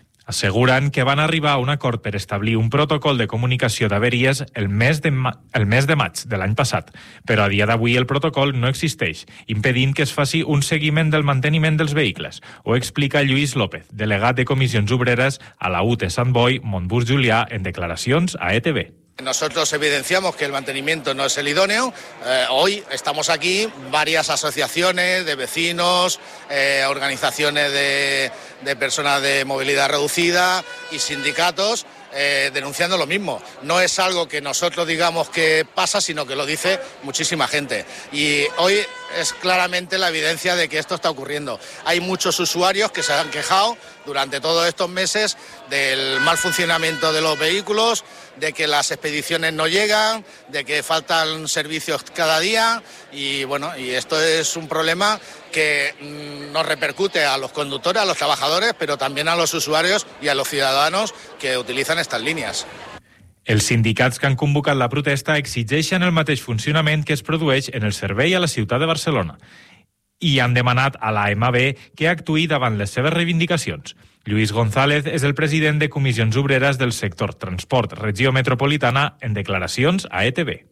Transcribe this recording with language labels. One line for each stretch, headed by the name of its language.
Catalan: Asseguren que van arribar a un acord per establir un protocol de comunicació d'averies el mes de maig de l'any passat, però a dia d'avui el protocol no existeix, impedint que es faci un seguiment del manteniment dels vehicles, ho explica Lluís López, delegat de Comissions Obreres a la UTE Sant Boi, Montbus Julià, en declaracions a ETV.
Spanish: Nosotros evidenciamos que el mantenimiento no es el idóneo. Hoy estamos aquí varias asociaciones de vecinos, organizaciones de personas de movilidad reducida y sindicatos denunciando lo mismo. No es algo que nosotros digamos que pasa, sino que lo dice muchísima gente. Y hoy es claramente la evidencia de que esto está ocurriendo. Hay muchos usuarios que se han quejado durante todos estos meses del mal funcionamiento de los vehículos, de que las expediciones no llegan, de que faltan servicios cada día y bueno, y esto es un problema que nos repercute a los conductores, a los trabajadores, pero también a los usuarios y a los ciudadanos que utilizan estas líneas.
Catalan: Els sindicats que han convocat la protesta exigeixen el mateix funcionament que es produeix en el servei a la ciutat de Barcelona i han demanat a la AMB que actuï davant les seves reivindicacions. Lluís González és el president de Comissions Obreres del sector Transport Regió Metropolitana en declaracions a ETV.